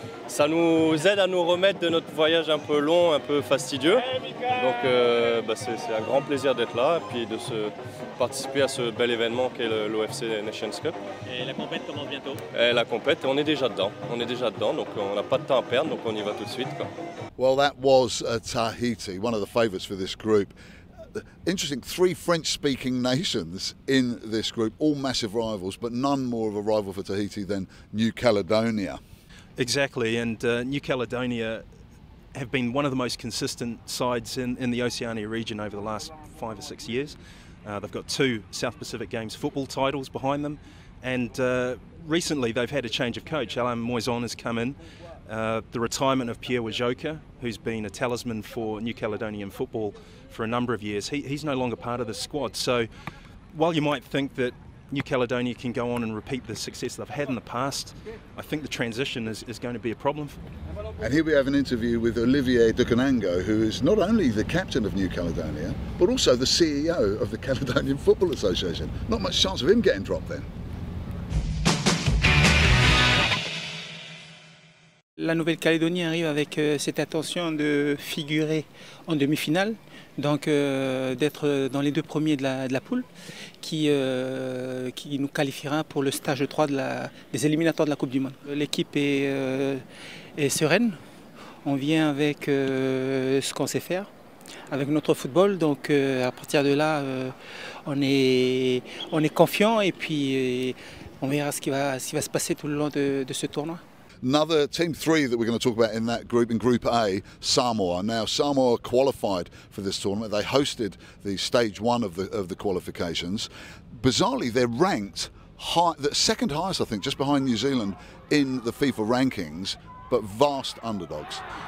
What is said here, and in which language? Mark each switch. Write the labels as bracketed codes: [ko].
[fr] Ça nous aide à nous remettre de notre voyage un peu long, un peu fastidieux. Donc c'est un grand plaisir d'être là et puis de se participer à ce bel événement qu'est l'OFC Nations Cup. Et la compète commence bientôt. Et la compète, on est déjà dedans. On est déjà dedans, donc on n'a pas de temps à perdre, donc on y va tout de suite. Quoi. [en] Well, that was Tahiti, one of the favorites for this group. Interesting, three French-speaking nations in this group, all massive rivals, but none more of a rival for Tahiti than New Caledonia. Exactly, and New Caledonia have been one of the most consistent sides in the Oceania region over the last 5 or 6 years. They've got two South Pacific Games football titles behind them, and recently they've had a change of coach. Alain Moison has come in. The retirement of Pierre Wajoka, who's been a talisman for New Caledonian football for a number of years, he's no longer part of the squad. So while you might think that New Caledonia can go on and repeat the success they've had in the past, I think the transition is going to be a problem. And here we have an interview with Olivier Dukanango, who is not only the captain of New Caledonia, but also the CEO of the Caledonian Football Association. Not much chance of him getting dropped then. [fr] La Nouvelle-Calédonie arrive avec cette intention de figurer en demi-finale, donc d'être dans les deux premiers de la poule, qui nous qualifiera pour le stage 3 des éliminatoires de la Coupe du Monde. L'équipe est sereine, on vient avec ce qu'on sait faire, avec notre football, donc à partir de là, on est confiant et puis on verra ce qui va se passer tout le long de ce tournoi. [en] Another team three that we're going to talk about in that group, in Group A, Samoa. Now, Samoa qualified for this tournament. They hosted the stage one of the qualifications. Bizarrely, they're ranked the second highest, I think, just behind New Zealand in the FIFA rankings, but vast underdogs.